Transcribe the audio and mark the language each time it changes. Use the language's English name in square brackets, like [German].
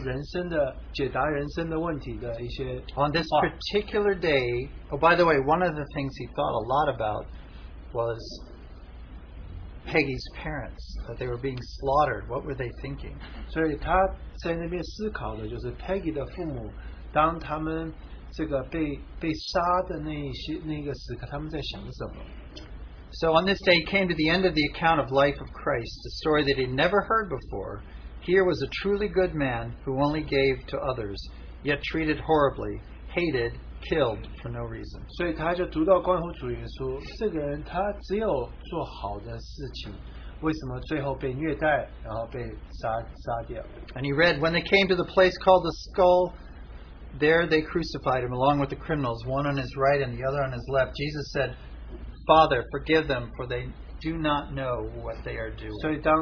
[Chinese] 他发现在圣经里有许多关乎人生的解答人生的问题的一些。 [English] On this particular day, oh, by the way, one of the things he thought a lot about was Peggy's parents, that they were being slaughtered. What were they thinking? [Chinese] 所以他在那边思考的就是Peggy的父母，当他们这个被杀的那一些那个时刻，他们在想什么？ [English] So on this day he came to the end of the account of life of Christ, a story that he'd never heard before. Here was a truly good man who only gave to others, yet treated horribly, hated, killed for no reason. [Chinese] 所以他就读到关乎主耶稣，这个人他只有做好的事情，为什么最后被虐待，然后被杀掉？ [English] And he read, when they came to the place called the skull, there they crucified him along with the criminals, one on his right and the other on his left. Jesus said, Father, forgive them, for they do not know what they are doing.